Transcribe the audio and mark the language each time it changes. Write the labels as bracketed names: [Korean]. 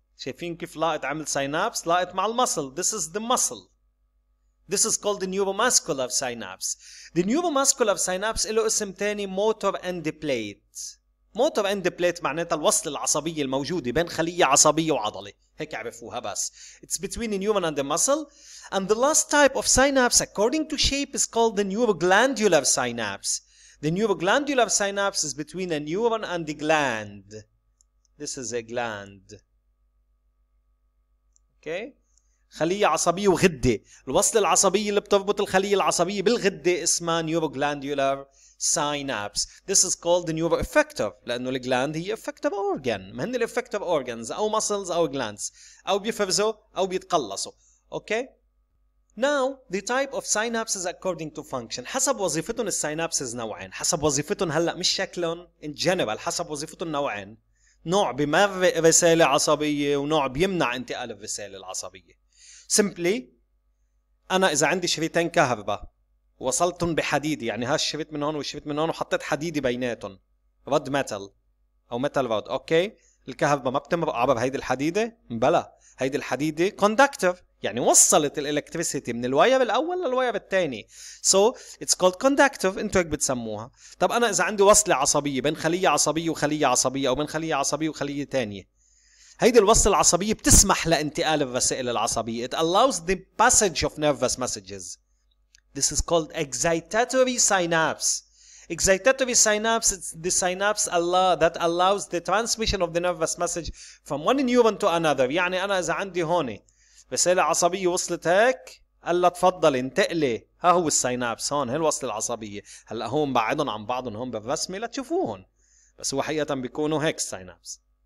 [Arabic] شايفين كيف لقيت عمل سينابس لقيت مع المسل. [English] This is the muscle. This is called the neuromuscular synapse. The neuromuscular synapse [Arabic] له اسم تاني [English] motor end plate. [Arabic] Motor end plate معناتها الوصل العصبية الموجودة بين خلية عصبية وعضلة. هيك عرفوها بس. [English] It's between the neuron and the muscle. And the last type of synapse according to shape is called the neuroglandular synapse. The neuroglandular synapse is between a neuron and the gland. This is a gland. [Arabic] Okay. خلية عصبية وغدة. الوصلة العصبية اللي بتربط الخلية العصبية بالغدة اسمها neuroglandular synapse. [English] This is called the neuroeffector [Arabic] لأنه الجلاند هي [English] effector organ. [Arabic] مهن الeffector organs أو muscles أو glands أو بيفرزوا أو بيتقلصوا. [English] Okay. Now the type of synapses according to function. [Arabic] حسب وظيفتهم السينابسز نوعين. حسب وظيفتهم هلا مش شكلهم [English] in general. [Arabic] حسب وظيفتهم نوعين. نوع بمر رسالة عصبية ونوع بيمنع انتقال الرسالة العصبية. Simply أنا إذا عندي شريطين كهرباء وصلتهم بحديد يعني ها الشريط من هون والشريط من هون وحطيت حديد بيناتهم رد ميتال أو ميتال رد. أوكي الكهرباء ما بتمرق عبر هيدي الحديدة؟ بلا هيدي الحديدة conductor يعني وصلت الالكتريسيتي من الوايه الاول للوايه الثاني. [English] so it's called conductive [Arabic] انتوا هيك بتسموها. طب انا اذا عندي وصله عصبيه بين خليه عصبيه وخليه عصبيه او بين خليه عصبيه وخليه ثانيه، هيدي الوصله العصبيه بتسمح لانتقال الرسائل العصبيه. [English] It allows the passage of nervous messages. This is called excitatory synapse. Excitatory synapse is the synapse that allows the transmission of the nervous message from one neuron to another. [Arabic] يعني انا اذا عندي هون رسالة عصبية وصلت هيك، قال له تفضل انتقلي، ها هو السينابس هون، هي الوصلة العصبية. هلأ هون بعدهم عن بعضهم هون بالرسمة لا تشوفوهن، بس هو حقيقة بيكونوا هيك السينابس.